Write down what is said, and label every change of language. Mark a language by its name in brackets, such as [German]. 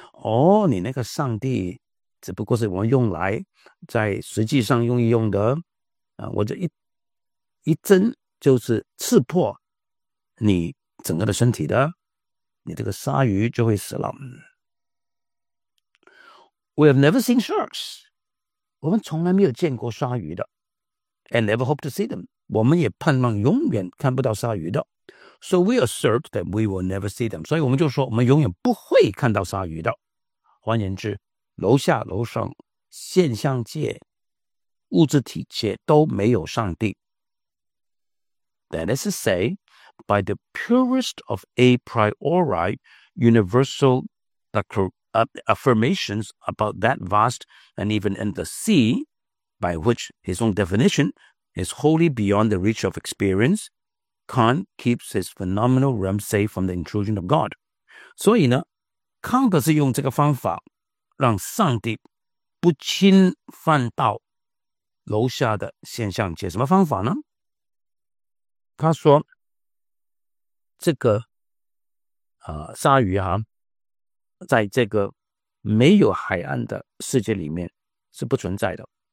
[Chinese] 哦，你那个上帝只不过是我们用来在实际上用一用的啊，我这一针就是刺破你整个的身体的，你这个鲨鱼就会死了。 [English] We have never seen sharks. [Chinese] 我们从来没有见过鲨鱼的。 [English] And never hope to see them. [Chinese] 我们也盼望永远看不到鲨鱼的。 [English] So we assert that we will never see them. [Chinese] 所以我们就说我们永远不会看到鲨鱼的。换言之，楼下楼上，现象界，物质体界都没有上帝。 [English] That is to say,By the purest of a priori universal affirmations about that vast and even endless sea, by which his own definition is wholly beyond the reach of experience, Kant keeps his phenomenal realm safe from the intrusion of God. [Chinese] 所以呢，康德是用这个方法让上帝不侵犯到楼下的现象界。什么方法呢？他说这个鲨鱼啊，在这个没有海岸的世界里面是不存在的。